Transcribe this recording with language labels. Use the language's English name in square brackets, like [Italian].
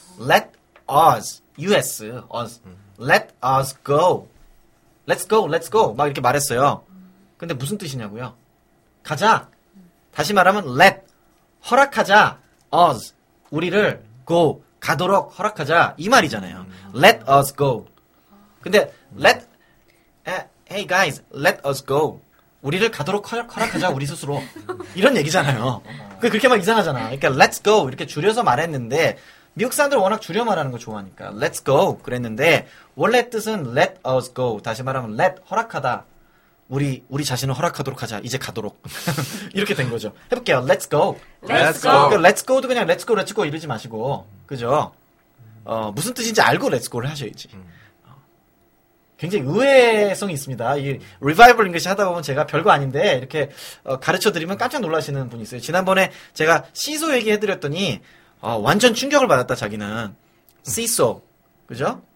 [English] Let us. Us. Us. Let us go. Let's go. Let's go. [Korean] 막 이렇게 말했어요. 근데 무슨 뜻이냐고요? 가자. 다시 말하면 [English] let. [Korean] 허락하자. [English] Us. [Korean] 우리를 go 가도록 허락하자 이 말이잖아요. [English] Let us go. 근데 let hey guys, let us go. [Korean] 우리를 가도록 허락하자 우리 스스로 이런 얘기잖아요. 그렇게 막 이상하잖아. 그러니까 let's go 이렇게 줄여서 말했는데 미국 사람들 워낙 줄여 말하는 거 좋아하니까 let's go 그랬는데 원래 뜻은 [English] let us go. [Korean] 다시 말하면 let 허락하다 우리 자신을 허락하도록 하자 이제 가도록 이렇게 된 거죠. 해볼게요. [English] Let's go. Let's go. [Korean] 그러니까 Let's go도 그냥 [English] Let's go, Let's go [Korean] 이러지 마시고 그죠. 무슨 뜻인지 알고 Let's go를 하셔야지. 굉장히 의외성이 있습니다. 이 Revival English 하다 보면 제가 별거 아닌데 이렇게 가르쳐 드리면 깜짝 놀라시는 분이 있어요. 지난번에 제가 CISO 얘기 해드렸더니 완전 충격을 받았다 자기는. CISO 그죠?